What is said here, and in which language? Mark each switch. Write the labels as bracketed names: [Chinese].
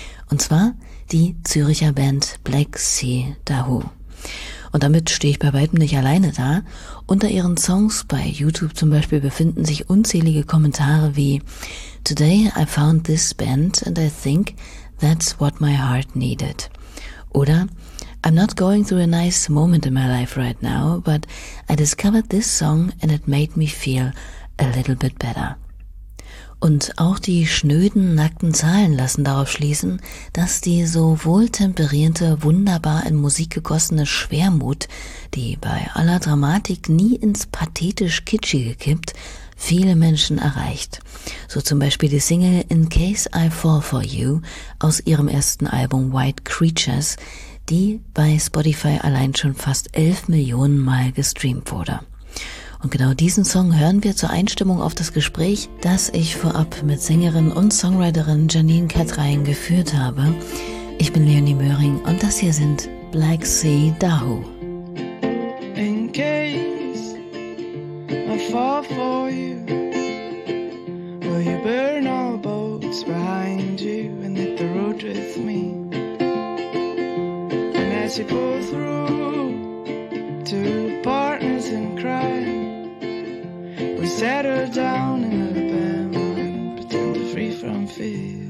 [German] Und zwar die Zürcher Band Black Sea Dahu. Und damit stehe ich bei weitem nicht alleine da. Unter ihren Songs bei YouTube zum Beispiel befinden sich unzählige Kommentare wie [English] "Today I found this band and I think that's what my heart needed." [German] Oder [English] "I'm not going through a nice moment in my life right now, but I discovered this song and it made me feel a little bit better." [German] Und auch die schnöden, nackten Zahlen lassen darauf schließen, dass die so wohltemperierte, wunderbar in Musik gegossene Schwermut, die bei aller Dramatik nie ins pathetisch-kitschige kippt, viele Menschen erreicht. So zum Beispiel die Single "In Case I Fall For You" aus ihrem ersten Album "White Creatures", die bei Spotify allein schon fast 11 Millionen Mal gestreamt wurde. Und genau diesen Song hören wir zur Einstimmung auf das Gespräch, das ich vorab mit Sängerin und Songwriterin Janine Katrein geführt habe. Ich bin Leonie Möhring und das hier sind Black Sea Dahu. [English] In case I fall for you, will you burn all boats behind you and hit the road with me? And as you pull through to partners in crime, we settle down in Alabama and pretend we're free from fear.